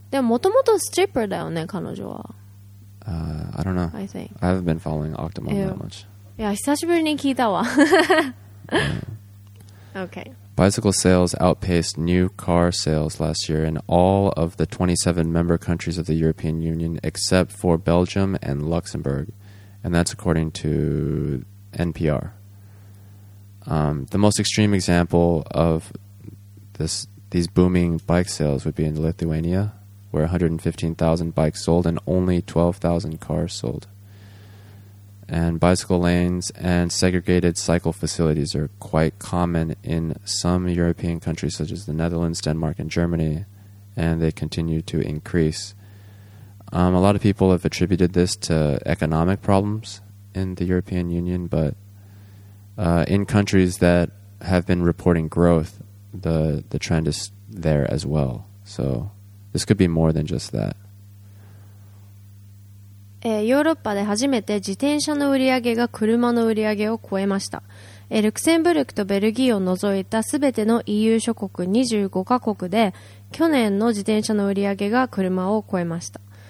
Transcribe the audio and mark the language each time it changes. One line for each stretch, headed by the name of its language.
Japanese: でも元々ストリッパーだよね彼女は。
English: I don't know. I think. I haven't been following Octomom that much.
Japanese: いや久しぶりに聞いたわ。
English: Okay. Bicycle sales outpaced new car sales last year in all of the 27 member countries of the European Union except for Belgium and Luxembourg, and that's according to NPR. The most extreme example of these booming bike sales would be in Lithuania. Where 115,000 bikes sold and only 12,000 cars sold. And bicycle lanes and segregated cycle facilities are quite common in some European countries such as the Netherlands, Denmark, and Germany, and they continue to increase. A lot of people have attributed this to economic problems in the European Union, but in countries that have been reporting growth, the trend is there as well. So... This could be more than just that.
Japanese: ヨーロッパで初めて自転車の売り上げが車の売り上げを超えました。ルクセンブルクとベルギーを除いたすべての EU 諸国25カ国で去年の自転車の売り上げが車を超えました。